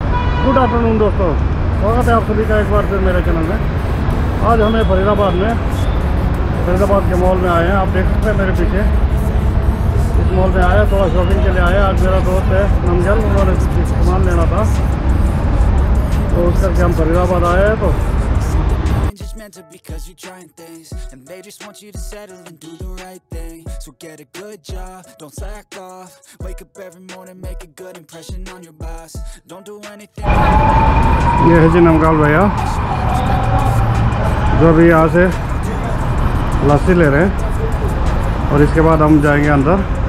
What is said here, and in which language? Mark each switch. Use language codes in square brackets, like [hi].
[hi] Good afternoon दोस्तों, स्वागत है आप सभी का एक बार फिर मेरे चैनल में। आज हमें फरीदाबाद में फरीदाबाद के मॉल में आए हैं। आप देख सकते हैं मेरे पीछे इस मॉल में आया, थोड़ा शॉपिंग के लिए आया। आज मेरा दोस्त है नमजल, उन्होंने सामान लेना था तो उस करके हम फरीदाबाद आए हैं। [en] तो because you trying things and they just want you to settle and do the right thing, so get a good job, don't slack off, wake up every morning, make a good impression on your boss, don't do anything. [hi] ये है जी नमकाल भैया, जो अभी यहाँ से लस्सी ले रहे हैं और इसके बाद हम जाएंगे अंदर।